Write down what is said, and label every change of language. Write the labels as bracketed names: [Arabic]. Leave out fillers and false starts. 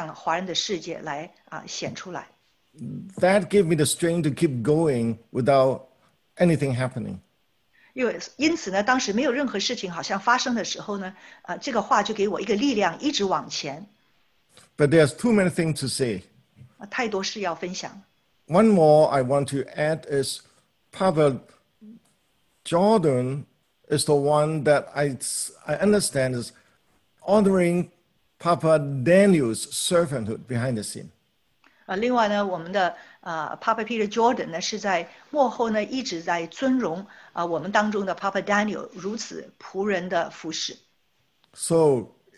[Chinese] 这同样呢，神一直隐藏锡安，直到呢是时候可以向华人的世界来显出来。 [English] That gave me the strength to keep going without anything happening. [Chinese] 因此呢，当时没有任何事情好像发生的时候呢，这个话就给我一个力量，一直往前。 [English] But there's too many things to say. [Chinese] 太多事要分享。 [English] One more I want to add is Papa Jordan is the one that I understand is honoring Papa Daniel's servanthood behind the scene. [Chinese] 另外呢，我们的Papa Peter Jordan呢，是在幕后呢一直在尊荣我们当中的Papa Daniel如此仆人的服侍。 [English] So,